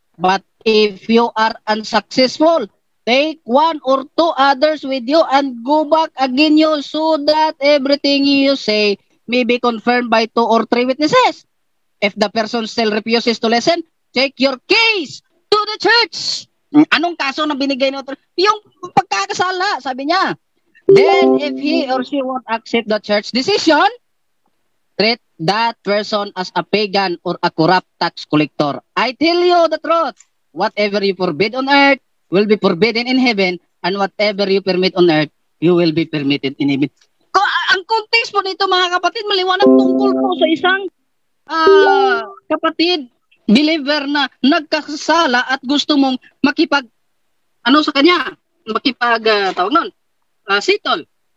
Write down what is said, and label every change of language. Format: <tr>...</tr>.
<en>But if you are unsuccessful, take one or two others with you and go back again you so that everything you say may be confirmed by two or three witnesses. If the person still refuses to listen, take your case to the church.</en> <tl>Anong kaso na binigay niyo? Yung pagkakasala, sabi niya.</tl> <en>Then if he or she won't accept the church decision, treat that person as a pagan or a corrupt tax collector. I tell you the truth. Whatever you forbid on earth, will be forbidden in heaven, and whatever you permit on earth, you will be permitted in heaven.</en> <tl>Ang context po nito, mga kapatid, maliwanag tungkol po sa isang kapatid, believer na nagkasala at gusto mong makipag-sitol.</tl>